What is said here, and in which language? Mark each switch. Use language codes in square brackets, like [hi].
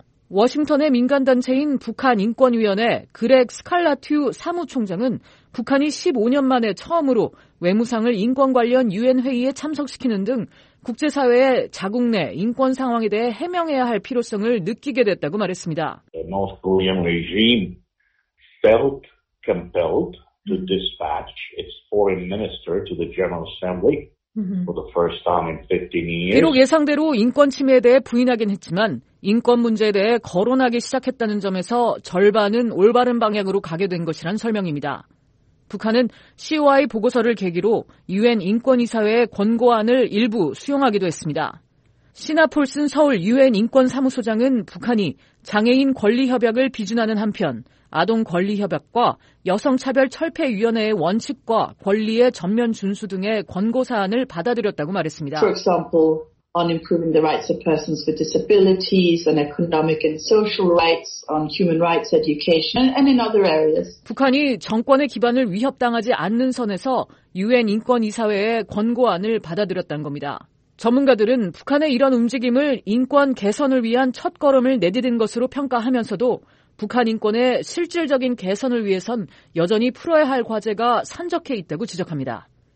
[ko] 워싱턴의 민간단체인 북한인권위원회 그렉 스칼라튜 사무총장은 북한이 15년 만에 처음으로 외무상을 인권 관련 유엔 회의에 참석시키는 등 국제사회의 자국 내 인권 상황에 대해 해명해야 할 필요성을 느끼게 됐다고 말했습니다. [en] The North Korean regime felt compelled to dispatch its foreign minister to the General Assembly for the first time in 15 years. [ko] 비록 예상대로 인권 침해에 대해 부인하긴 했지만 인권 문제에 대해 거론하기 시작했다는 점에서 절반은 올바른 방향으로 가게 된 것이란 설명입니다. 북한은 COI 보고서를 계기로 유엔 인권이사회의 권고안을 일부 수용하기도 했습니다. 시나폴슨 서울 유엔 인권사무소장은 북한이 장애인 권리협약을 비준하는 한편 아동권리협약과 여성차별철폐위원회의 원칙과 권리의 전면 준수 등의 권고사안을 받아들였다고 말했습니다. [en] For example, on improving the rights of persons with disabilities and economic and social rights, on human rights education and in other areas. [ko] 북한이 정권의 기반을 위협당하지 않는 선에서 유엔 인권이사회의 권고안을 받아들였다는 겁니다. 전문가들은 북한의 이런 움직임을 인권 개선을 위한 첫 걸음을 내딛은 것으로 평가하면서도 북한 인권의 실질적인 개선을 위해선 여전히 풀어야 할 과제가 산적해 있다고 지적합니다.